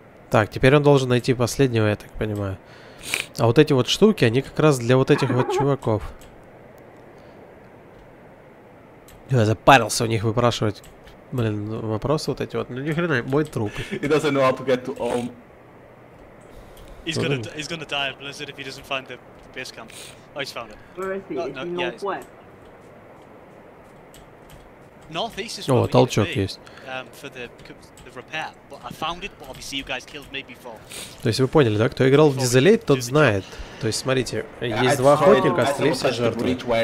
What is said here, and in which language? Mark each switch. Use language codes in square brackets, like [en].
[ru] Так, теперь он должен найти последнего, я так понимаю. А вот эти вот штуки, они как раз для вот этих вот чуваков. Я запарился у них выпрашивать, блин, вопросы вот эти вот. Ну ни хрена, мой труп. [en] He doesn't know how to get to home. He's gonna die in Blizzard if he doesn't find the base camp. Oh, he's found it. Where is he? No, is he northwest? Yeah, northeast is oh, where we need to be, for the repair. But I found it, but obviously you guys killed me before. [ru] То есть вы поняли, да? Кто играл в Dizelay, тот знает. То есть смотрите, есть два охотника, остались все жертвы.